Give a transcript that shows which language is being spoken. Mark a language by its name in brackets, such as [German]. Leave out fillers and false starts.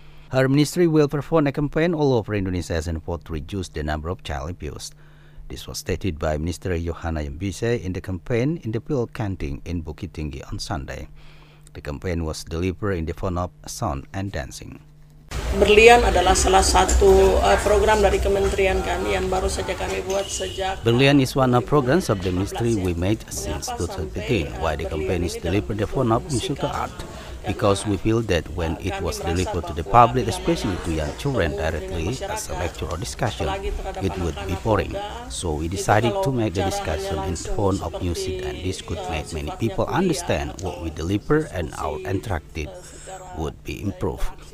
[English] Her ministry will perform a campaign all over Indonesia as an effort to reduce the number of child abused. This was stated by Minister Yohana Yambisa in the campaign in the Pil Kanting in Bukit Tinggi on Sunday. The campaign was delivered in the form of sound and dancing. [Indonesian] Berlian adalah salah satu program dari kementerian kami yang baru saja kami buat sejak [English] Berlian is one of programs of the ministry we made since 2015. Why the campaign is delivered the form of musical art? Because we feel that when it was delivered to the public, especially to young children directly as a lecture or discussion, it would be boring. So we decided to make the discussion in the form of music, and this could make many people understand what we deliver and our interactive would be improved.